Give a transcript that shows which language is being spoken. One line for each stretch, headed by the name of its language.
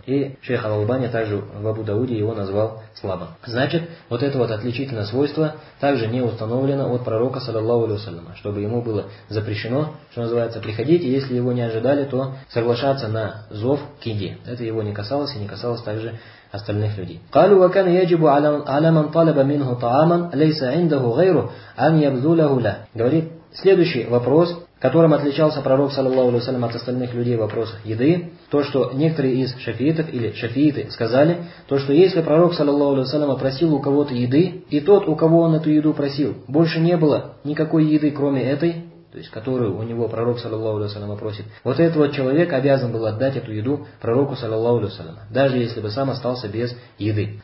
Russian: И шейх Ал-Албани также в Абу-Дауде его назвал слабым. Значит, вот это вот отличительное свойство также не установлено от пророка, саллаллаху алейхи ва саллям, чтобы ему было запрещено, что называется, приходить, и если его не ожидали, то соглашаться на зов к еде. Это его не касалось и не касалось также остальных людей.
Arabic: قالوا وكان يجب على من طلب منه طعاما ليس عنده غيره أن يبذله له.
Russian: Говорит следующий вопрос. которым отличался пророк, саллаллаху алейхи ва саллям, от остальных людей в вопросах еды, то, что некоторые из шафиитов или шафииты сказали, то, что если пророк, саллаллаху алейхи ва саллям, просил у кого-то еды, и тот, у кого он эту еду просил, больше не было никакой еды, кроме этой, то есть которую у него пророк, саллаллаху алейхи ва саллям, просит, вот этот вот человек обязан был отдать эту еду пророку, саллаллаху алейхи ва саллям, даже если бы сам остался без еды.